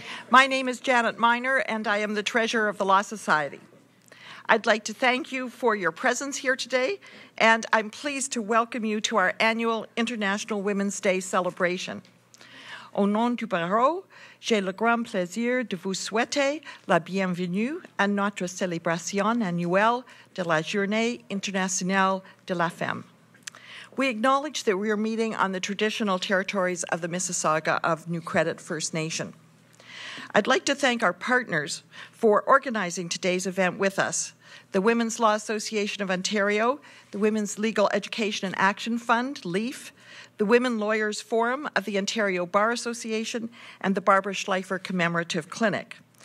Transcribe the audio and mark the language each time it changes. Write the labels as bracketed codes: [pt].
[en] My name is Janet Miner, and I am the treasurer of the Law Society. I'd like to thank you for your presence here today, and I'm pleased to welcome you to our annual International Women's Day celebration. [fr] Au nom du barreau, j'ai le grand plaisir de vous souhaiter la bienvenue à notre célébration annuelle de la Journée Internationale de la Femme. [en] We acknowledge that we are meeting on the traditional territories of the Mississauga of New Credit First Nation. I'd like to thank our partners for organizing today's event with us, the Women's Law Association of Ontario, the Women's Legal Education and Action Fund, LEAF, the Women Lawyers Forum of the Ontario Bar Association, and the Barbara Schleifer Commemorative Clinic.